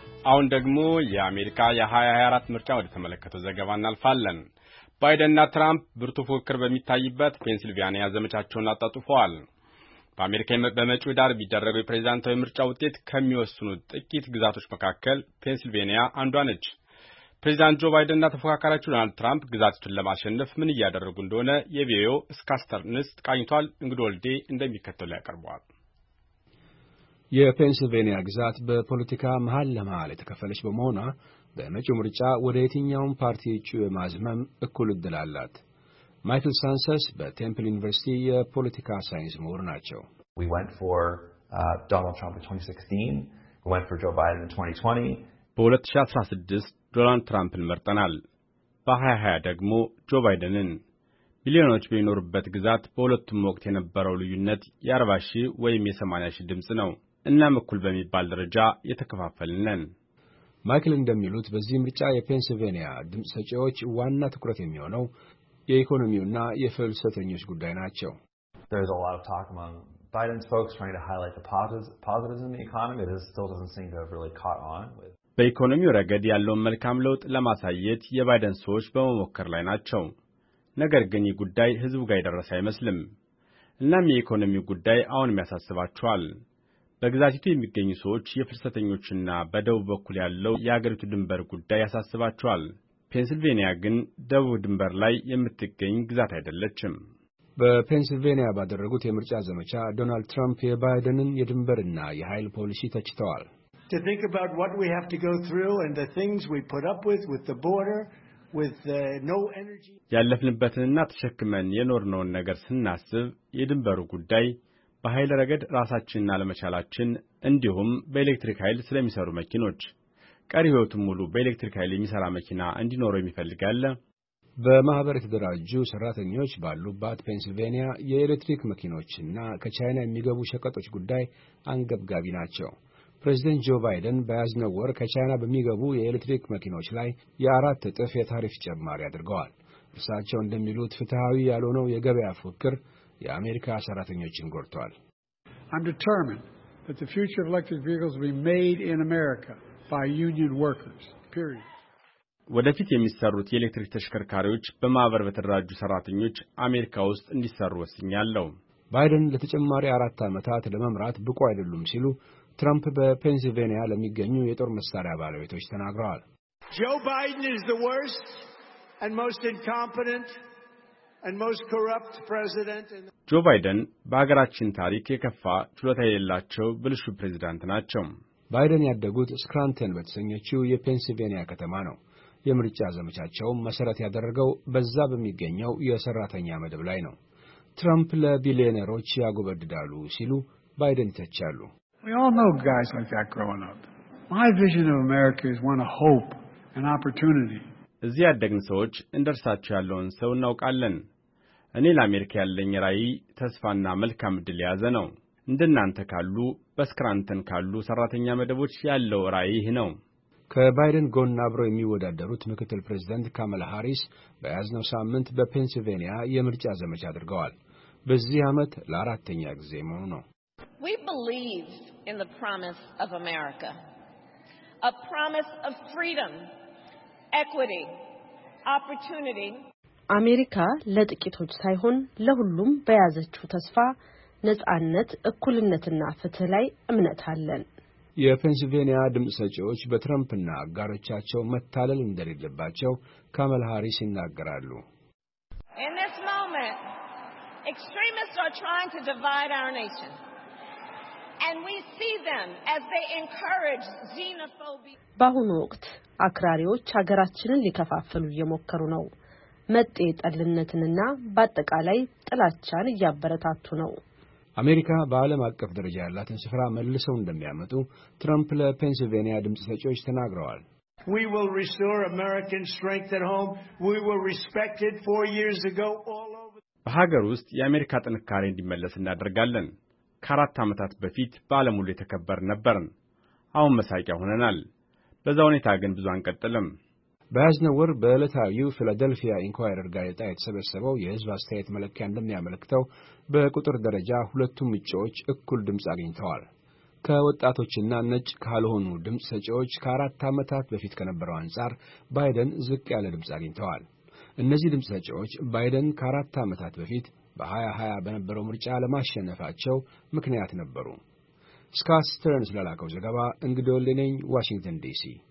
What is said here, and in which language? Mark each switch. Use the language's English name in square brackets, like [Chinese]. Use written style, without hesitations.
[Amharic] አሁን ደግሞ የአሜሪካ የ2024 ምርጫ ወደ ተመለከተ ዘገባ እናልፋለን። ባይደንና ትራምፕ ብርቱ ፉክክር በሚታይበት ፔንሲልቫኒያ ዘመቻቸውን አጣጥፈዋል። በአሜሪካ በመጪው ዳር ቢደረገው የፕሬዝዳንታዊ ምርጫ ውጤት ከሚወስኑት ጥቂት ግዛቶች መካከል ፔንሲልቫኒያ አንዷ ነች። ፕሬዝዳንት ጆ ባይደንና ተፎካካሪያቸው ዶናልድ ትራምፕ ግዛቱን ለማሸነፍ ምን እያደረጉ እንደሆነ የቪኦኤው እስካስተር ንስት ቃኝቷል። እንግዶ ወልዴ እንደሚከተለው ያቀርባል። የፔንሲልቬኒያ ግዛት በፖለቲካ መሃል ለመሃል የተከፈለች በመሆኑ በመጪው ምርጫ ወደ የትኛውን ፓርቲ እጩ የማዝመም እኩል እድል አላት? ማይክል ሳንሰስ በቴምፕል ዩኒቨርሲቲ የፖለቲካ ሳይንስ ምሁር ናቸው። [English] We went for Donald Trump in 2016, we went for Joe Biden in 2020. [Amharic] በ2016 ዶናልድ ትራምፕን መርጠናል። በ2020 ደግሞ ጆ ባይደንን። ሚሊዮኖች በሚኖሩበት ግዛት በሁለቱም ወቅት የነበረው ልዩነት የ40ሺ ወይም የ80ሺ ድምጽ ነው። እና መኩል በሚባል ደረጃ የተከፋፈልነን። ማይክል እንደሚሉት በዚህ ምርጫ የፔንሲልቬኒያ ድምጽ ሰጪዎች ዋና ትኩረት የሚሆነው የኢኮኖሚውና የፍልሰተኞች ጉዳይ ናቸው። [English] There's a lot of talk among Biden's folks trying to highlight the positives in the economy. It still doesn't seem to have really caught on with [Amharic] በኢኮኖሚው ረገድ ያለው መልካም ለውጥ ለማሳየት የባይደን ሰዎች በመሞከር ላይ ናቸው። ነገር ግን ይህ ጉዳይ ህዝቡ ጋር ይደረሳ አይመስልም። እናም የኢኮኖሚው ጉዳይ አሁንም ያሳስባቸዋል። በግዛቲቱ የሚገኙ ሰዎች የፍልሰተኞችና በደቡብ በኩል ያለው የሀገሪቱ ድንበር ጉዳይ ያሳስባቸዋል። ፔንሲልቬኒያ ግን ደቡብ ድንበር ላይ የምትገኝ ግዛት አይደለችም። በፔንሲልቬኒያ ባደረጉት የምርጫ ዘመቻ ዶናልድ ትራምፕ የባይደንን የድንበርና የኃይል ፖሊሲ ተችተዋል። [English] To think about what we have to go through and the things we put up with the border with no energy [Amharic] ያለፍንበትንና ተሸክመን የኖርነውን ነገር ስናስብ የድንበሩ ጉዳይ በኃይል ረገድ ራሳችንና ለመቻላችን እንዲሁም በኤሌክትሪክ ኃይል ስለሚሰሩ መኪኖች ቀሪ ህይወቱን ሙሉ በኤሌክትሪክ ኃይል የሚሰራ መኪና እንዲኖረው የሚፈልጋለ። በማህበር የተደራጁ ሰራተኞች ባሉባት ፔንሲልቬኒያ የኤሌክትሪክ መኪኖችና ከቻይና የሚገቡ ሸቀጦች ጉዳይ አንገብጋቢ ናቸው። ፕሬዚደንት ጆ ባይደን በያዝነው ወር ከቻይና በሚገቡ የኤሌክትሪክ መኪኖች ላይ የአራት እጥፍ የታሪፍ ጭማሪ አድርገዋል። እርሳቸው እንደሚሉት ፍትሃዊ ያልሆነው የገበያ ፉክክር የአሜሪካ ሰራተኞችን ጎርቷል። [English] I'm determined that the future of electric vehicles will be made in America by union workers. Period. [Amharic] ወደፊት የሚሰሩት የኤሌክትሪክ ተሽከርካሪዎች በማህበር በተደራጁ ሰራተኞች አሜሪካ ውስጥ እንዲሰሩ ወስኛለሁ። ባይደን ለተጨማሪ አራት ዓመታት ለመምራት ብቁ አይደሉም ሲሉ ትራምፕ በፔንሲልቬኒያ ለሚገኙ የጦር መሳሪያ ባለቤቶች ተናግረዋል። [English] Joe Biden is the worst and most incompetent and most corrupt president in the [Amharic] ጆ ባይደን በአገራችን ታሪክ የከፋ ችሎታ የሌላቸው ብልሹ ፕሬዝዳንት ናቸው። ባይደን ያደጉት ስክራንተን በተሰኘችው የፔንሲልቬኒያ ከተማ ነው። የምርጫ ዘመቻቸው መሰረት ያደረገው በዛ በሚገኘው የሰራተኛ መደብ ላይ ነው። ትራምፕ ለቢሊየነሮች ያጎበድዳሉ ሲሉ ባይደን ተቻሉ። [English] We all know guys like that growing up. My vision of America is one of hope and opportunity. [Amharic] እዚህ ያደግን ሰዎች እንደርሳቸው ያለውን ሰው እናውቃለን። እኔ ለአሜሪካ ያለኝ ራይ ተስፋና መልካም ድል ያዘ ነው። እንድናንተ ካሉ በስክራንተን ካሉ ሰራተኛ መደቦች ያለው ራይ ይህ ነው። ከባይደን ጎን አብሮ የሚወዳደሩት ምክትል ፕሬዝዳንት ካማላ ሃሪስ በያዝነው ሳምንት በፔንሲልቬኒያ የምርጫ ዘመቻ አድርገዋል። በዚህ ዓመት ለአራተኛ ጊዜ መሆኑ ነው። [English] We believe in the promise of America. A promise of freedom, equity, opportunity. [Amharic] አሜሪካ ለጥቂቶች ሳይሆን ለሁሉም በያዘችው ተስፋ ነጻነት፣ እኩልነትና ፍትህ ላይ እምነት አለን። የፔንሲልቬኒያ ድምጽ ሰጪዎች በትራምፕና አጋሮቻቸው መታለል እንደሌለባቸው ካማላ ሃሪስ ይናገራሉ። [English] In this moment, extremists are trying to divide our nation. And we see them as they encourage xenophobia. [Amharic] በአሁኑ ወቅት አክራሪዎች ሀገራችንን ሊከፋፍሉ እየሞከሩ ነው። መጤ ጠልነትንና በአጠቃላይ ጥላቻን እያበረታቱ ነው። አሜሪካ በአለም አቀፍ ደረጃ ያላትን ስፍራ መልሰው እንደሚያመጡ ትራምፕ ለፔንሲልቬኒያ ድምጽ ሰጪዎች ተናግረዋል። [English] We will restore American strength at home. We will respect it 4 years ago all over. [Amharic] በሀገር ውስጥ የአሜሪካ ጥንካሬ እንዲመለስ እናደርጋለን። ከአራት አመታት በፊት በአለም ሁሉ የተከበር ነበርን። አሁን መሳቂያ ሆነናል። በዛ ሁኔታ ግን ብዙ አንቀጥልም። በያዝነው በለታዊው ፊላደልፊያ ኢንኳይረር ጋዜጣ የተሰበሰበው የህዝብ አስተያየት መለኪያ እንደሚያመለክተው በቁጥር ደረጃ ሁለቱም እጩዎች እኩል ድምጽ አግኝተዋል። ከወጣቶችና ነጭ ካልሆኑ ድምጽ ሰጪዎች ከአራት አመታት በፊት ከነበረው አንጻር ባይደን ዝቅ ያለ ድምጽ አግኝተዋል። እነዚህ ድምጽ ሰጪዎች ባይደን ከአራት አመታት በፊት በ2020 በነበረው ምርጫ ለማሸነፋቸው ምክንያት ነበሩ። ስካት ስተርንስ ለላከው ዘገባ እንግዶልኝ ነኝ ዋሽንግተን ዲሲ።